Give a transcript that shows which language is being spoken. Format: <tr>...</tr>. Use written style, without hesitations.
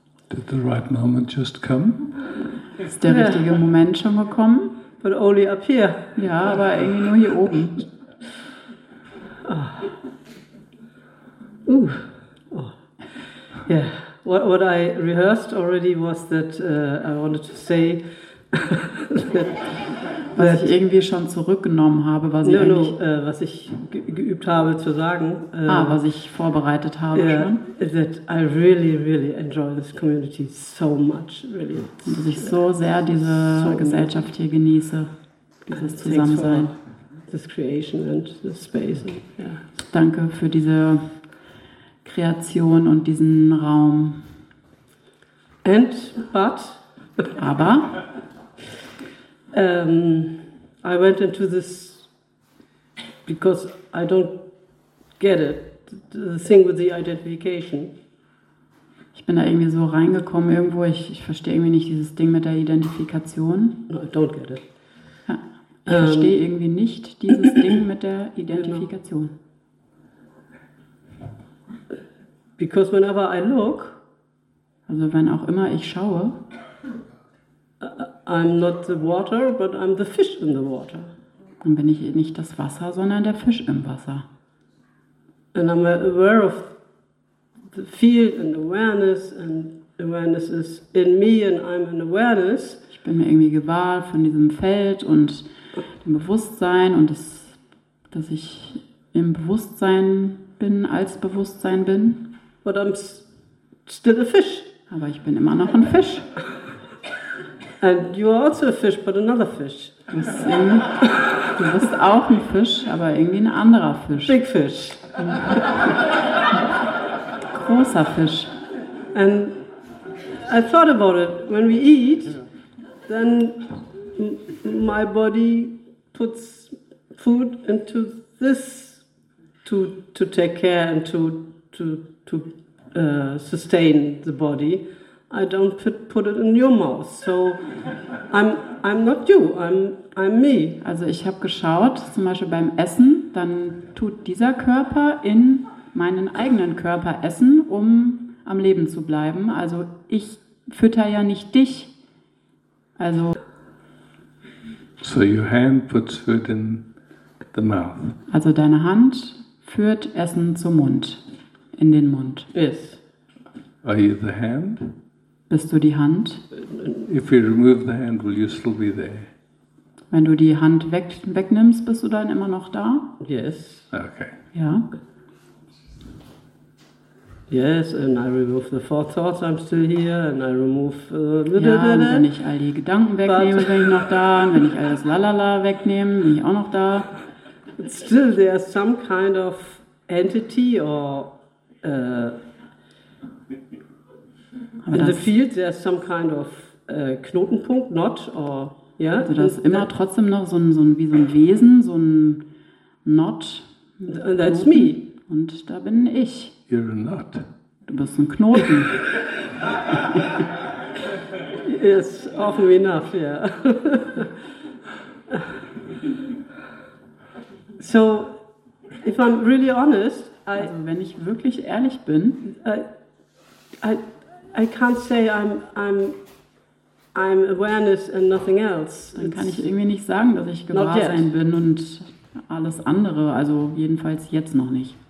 <en>Did the right moment just come?</en> <de>Ist der richtige Moment schon gekommen?</de> <en>But only up here.</en> <de>Ja, aber irgendwie nur hier oben.</de> <en>Oh. Yeah. What I rehearsed already was that I wanted to say</en> <de>was ich irgendwie schon zurückgenommen habe, was ich was ich geübt habe zu sagen, was ich vorbereitet habe,</de> <en>that I really really enjoy this community so much, really,</en> <de>und dass ich so sehr diese so Gesellschaft hier genieße, dieses Zusammensein,</de> <en>this creation and the space. And,</en> <de>danke für diese Kreation und diesen Raum.</de> <en>And but</en> <de>aber</de> <en>I went into this because I don't get it, the thing with the identification.</en> <de>Ich bin da irgendwie so reingekommen irgendwo, ich verstehe irgendwie nicht dieses Ding mit der Identifikation.</de> <en>No, I don't get it.</en> <de>Ja, ich verstehe irgendwie nicht dieses Ding mit der Identifikation.</de> <en>Because whenever I look,</en> <de>also wenn auch immer ich schaue,</de> <en>I'm not the water, but I'm the fish in the water.</en> <de>Dann bin ich nicht das Wasser, sondern der Fisch im Wasser.</de> <en>And I'm aware of the field and awareness is in me and I'm an awareness.</en> <de>Ich bin mir irgendwie gewahr von diesem Feld und dem Bewusstsein und dass ich im Bewusstsein bin, als Bewusstsein bin.</de> <en>But I'm still a fish.</en> <de>Aber ich bin immer noch ein Fisch.</de> <en>And you are also a fish, but another fish.</en> <de>Du bist auch ein Fisch, aber irgendwie ein anderer Fisch.</de> <en>Big fish.</en> <de>Großer Fisch.</de> <en>And I thought about it. When we eat, then my body puts food into this to take care and to sustain the body. I don't put it in your mouth. So I'm not you, I'm me.</en> <de>Also ich habe geschaut, zum Beispiel beim Essen, dann tut dieser Körper in meinen eigenen Körper essen, um am Leben zu bleiben. Also ich fütter ja nicht dich. Also</de> <en>so your hand puts food in the mouth.</en> <de>Also deine Hand führt Essen zum Mund, in den Mund.</de> <en>Yes. Are you the hand?</en> <de>Bist du die Hand?</de> <en>If you remove the hand, will you still be there?</en> <de>Wenn du die Hand wegnimmst, bist du dann immer noch da?</de> <en>Yes. Okay.</en> <de>Ja.</de> <en>Yes, and I remove the four thoughts, I'm still here, and I remove...</en> <de>Und wenn ich all die Gedanken wegnehme, bin ich noch da, und wenn ich all das Lalala wegnehme, bin ich auch noch da.</de> <en>But still, there's some kind of entity or... in the field there's some kind of Knotenpunkt, Knot or yeah.</en> <de>Also das immer trotzdem noch so ein wie so ein Wesen, so ein Knot.</de> <en>That's me.</en> <de>Und da bin ich.</de> <en>You're a knot.</en> <de>Du bist ein Knoten.</de> <en>Yes, often enough, yeah. So, if I'm really honest,</en> <de>also wenn ich wirklich ehrlich bin,</de> <en>I can't say I'm awareness and nothing else.</en> <de>Dann kann ich irgendwie nicht sagen, dass ich Gewahrsein bin und alles andere, also jedenfalls jetzt noch nicht.</de>